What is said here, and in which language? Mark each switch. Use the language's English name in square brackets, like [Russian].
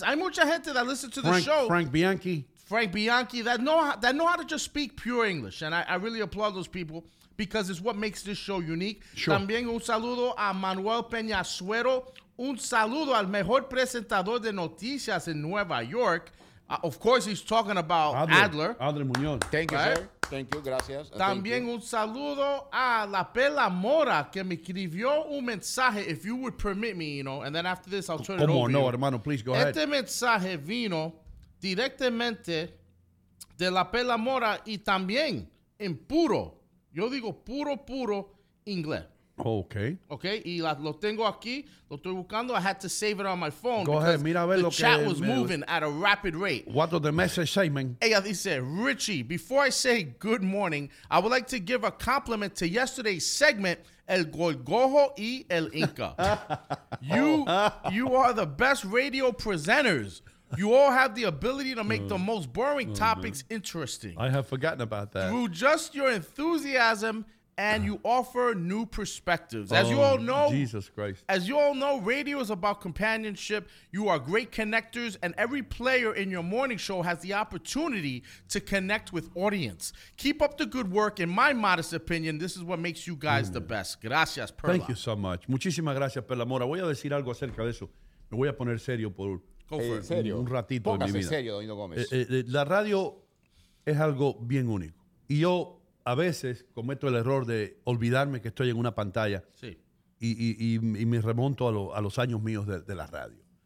[Spanish] Hay mucha gente [English] that listen to the show. Frank Bianchi. That know how to just speak pure English. And I really applaud those people because it's what makes this show unique. Sure. [Spanish] También un saludo a Manuel Peñasuero. Un saludo al mejor presentador de noticias en Nueva York. [English] Of course, he's talking about Adler. Adler Muñoz. Thank you, right? Sir. Thank you, gracias. [Spanish] También un saludo a La Pela Mora, que me escribió un mensaje, [English] if you would permit me, you know, and then after this I'll turn it over. [Spanish] Como no, hermano, [English] please go ahead. [Spanish] Este mensaje vino directamente de La Pela Mora y también en puro, yo digo puro inglés. [English] Okay. [Spanish] Okay, y lo tengo aquí, lo estoy buscando. [English] I had to save it on my phone. Go ahead, [Spanish] mira a ver lo que [English] the chat was moving at a rapid rate. What does the message say, man? [Spanish] Ella dice, [English] Richie, before I say good morning, I would like to give a compliment to yesterday's segment, El Gorgojo y El Inca. You are the best radio presenters. You all have the ability to make the most boring topics interesting. I have forgotten about that. Through just your enthusiasm, and you offer new perspectives. As you all know, Jesus Christ. As you all know, radio is about companionship. You are great connectors, and every player in your morning show has the opportunity to connect with audience. Keep up the good work. In my modest opinion, this is what makes you guys the best. [Spanish] Gracias, Perla. [English] Thank you so much. [Spanish] Muchísimas gracias, Perla Mora. Voy a decir algo acerca de eso. Me voy a poner serio por un ratito Póngase en mi vida. Serio, Doño Gómez. La radio es algo bien único. Y yo a veces cometo el error de olvidarme que estoy en una pantalla. Sí. y me remonto a los años míos de la radio.